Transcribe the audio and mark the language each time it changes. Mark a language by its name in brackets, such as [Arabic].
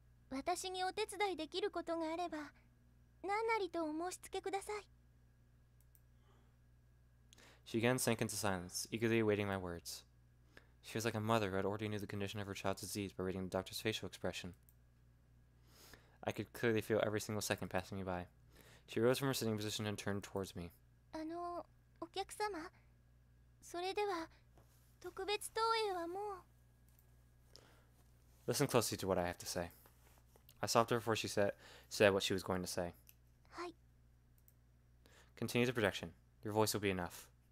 [Japanese] 私にお手伝いできることがあれば、何なりとお申し付けください。 [English] She again sank into silence, eagerly awaiting my words. She was like a mother who had already knew the condition of her child's disease by reading the doctor's facial expression. I could clearly feel every single second passing me by. She rose from her sitting position and turned towards me. [Japanese] お客様、それでは特別投影はもう… [English] Listen closely to what I have to say. I stopped her before she said what she was going to say. [Japanese] はい. [English] Continue the projection. Your voice will be enough.